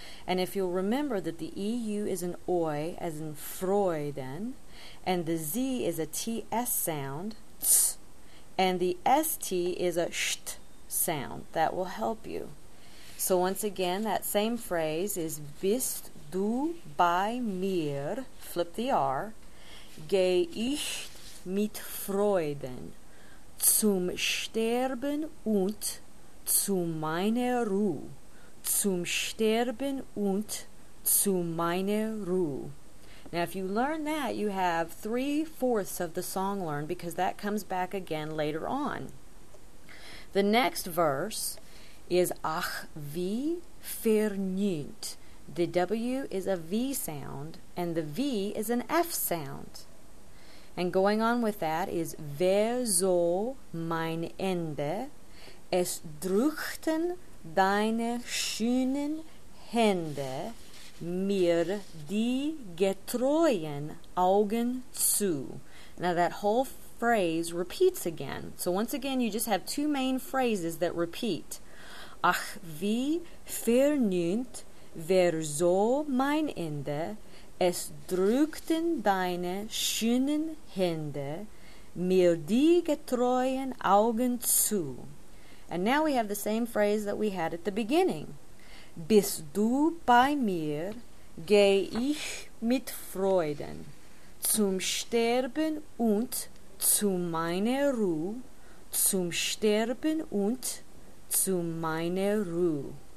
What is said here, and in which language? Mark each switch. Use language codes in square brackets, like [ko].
[en] And if you'll remember that the EU is an OI, as in Freuden, and the Z is a TS sound, ts, and the ST is a SHT sound, that will help you. So once again, that same phrase is [de] Bist du bei mir, [en] flip the R, [de] Geh ich mit Freuden zum Sterben und zu meiner Ruhe. Zum Sterben und zu meiner Ruhe. [en] Now, if you learn that, you have 3/4 of the song learned, because that comes back again later on. The next verse is [de] Ach, wie vergnügt. [en] The W is a V sound, and the V is an F sound. And going on with that is [de] Wer soll mein Ende? Es drückten deine schönen Hände mir die getreuen Augen zu. [en] Now that whole phrase repeats again. So once again, you just have two main phrases that repeat. [de] Ach, wie vergnügt, wer so mein Ende, es drückten deine schönen Hände mir die getreuen Augen zu. [en] And now we have the same phrase that we had at the beginning. [de] Bist du bei mir, geh ich mit Freuden zum Sterben und zu meiner Ruhe. Zum Sterben und zu meiner Ruhe.